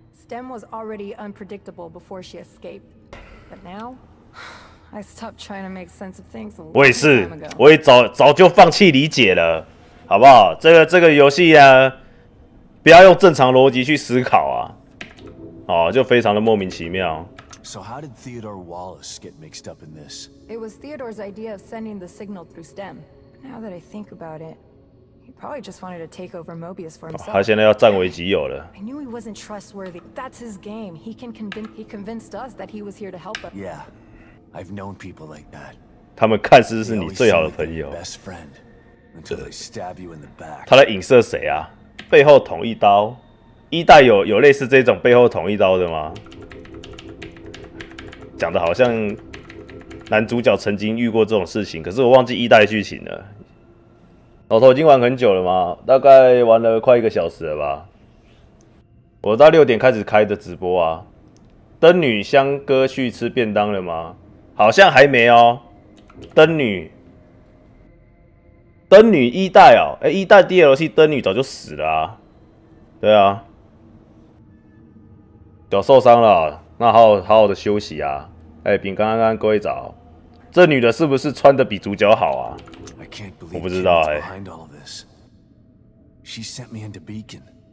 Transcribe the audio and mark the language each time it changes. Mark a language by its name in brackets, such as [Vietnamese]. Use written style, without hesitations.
[English] Stem was already unpredictable before she escaped, but now I stopped trying to make sense of things. [Chinese] 我也是，我也早就放弃理解了，好不好？这个游戏啊，不要用正常逻辑去思考啊，哦，就非常的莫名其妙。 [English] So how did Theodore Wallace get mixed up in this? It was Theodore's idea of sending the signal through Stem. Now that I think about it. Probably just wanted to take over Mobius for himself. [Chinese] 他现在要占为己有了。 [English] I knew he wasn't trustworthy. That's his game. He convinced us that he was here to help us. Yeah, I've known people like that. [Chinese] 他们看似是你最好的朋友。 [English] Best friend. Until they stab you in the back. [Chinese] 他在影射谁啊？背后捅一刀。一代有类似这种背后捅一刀的吗？讲的好像男主角曾经遇过这种事情，可是我忘记一代剧情了。老头已经玩很久了吗？大概玩了快一个小时了吧。我到6点开始开的直播啊。灯女香哥去吃便当了吗？好像还没哦。灯女，灯女一代哦，欸，一代 DLC 灯女早就死了啊。对啊，脚受伤了，那好好的休息啊。欸，饼干刚刚各位早，这女的是不是穿的比主角好啊？我不知道哎。 [English] Behind all of this, she sent me into Beacon.